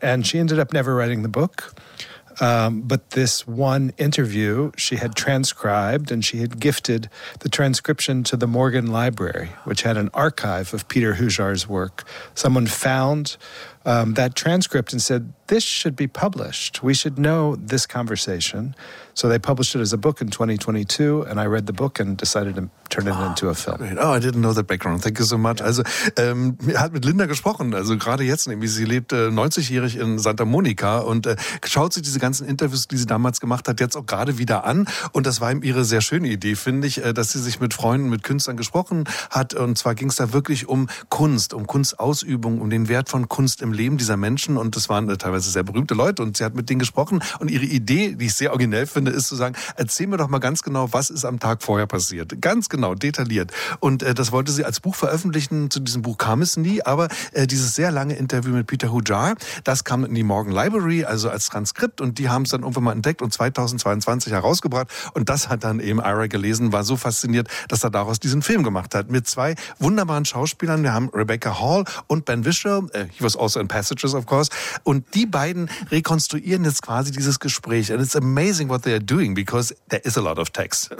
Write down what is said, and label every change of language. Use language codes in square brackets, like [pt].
[en] And she ended up never writing the book. But this one interview she had transcribed, and she had gifted the transcription to the Morgan Library, which had an archive of Peter Hooter's work. Someone found that transcript and said, this should be published. We should know this conversation. So they published it as a book in 2022, and I read the book and decided to turn it into a film. Great. Oh, I didn't know that background. Thank you so much. [de] Also, hat mit Linda gesprochen, also gerade jetzt, nämlich sie lebt 90-jährig in Santa Monica und schaut sich diese ganzen Interviews, die sie damals gemacht hat, jetzt auch gerade wieder an. Und das war eben ihre sehr schöne Idee, finde ich, dass sie sich mit Freunden, mit Künstlern gesprochen hat. Und zwar ging es da wirklich um Kunstausübung, um den Wert von Kunst im Leben dieser Menschen. Und das waren teilweise sehr berühmte Leute. Und sie hat mit denen gesprochen. Und ihre Idee, die ich sehr originell finde, ist zu sagen, erzähl mir doch mal ganz genau, was ist am Tag vorher passiert. Ganz genau, detailliert. Und das wollte sie als Buch veröffentlichen. Zu diesem Buch kam es nie. Aber dieses sehr lange Interview mit Peter Hooter, das kam in die Morgan Library, also als Transkript. Und die haben es dann irgendwann mal entdeckt und 2022 herausgebracht. Und das hat dann eben Ira gelesen, war so fasziniert, dass er daraus diesen Film gemacht hat. Mit zwei wunderbaren Schauspielern. Wir haben Rebecca Hall und Ben Whishaw. [en] He was also in and Passages, of course. [de] Und die beiden rekonstruieren jetzt quasi dieses Gespräch. [en] And it's amazing what they are doing, because there is a lot of text.